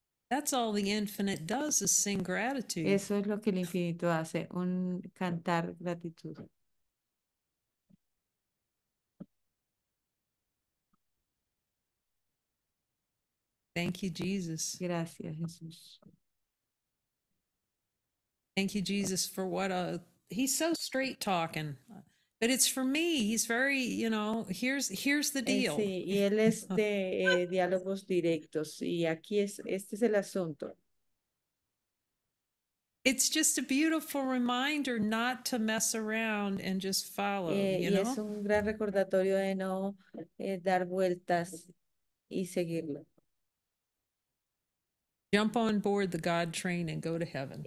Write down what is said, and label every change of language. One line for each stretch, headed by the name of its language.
English: That's all the infinite does is sing gratitude.
Spanish: Eso es lo que el infinito hace, un cantar gratitud.
English: Thank you, Jesus.
Spanish: Gracias, Jesús.
English: Thank you, Jesus, for what a... He's so straight talking. But it's for me. He's very, you know, here's the deal.
Spanish: Sí, y él es de diálogos directos. Y aquí es, este es el asunto.
English: It's just a beautiful reminder not to mess around and just follow, you know?
Spanish: Es un gran recordatorio de no dar vueltas y seguirlo.
English: Jump on board the God train and go to heaven.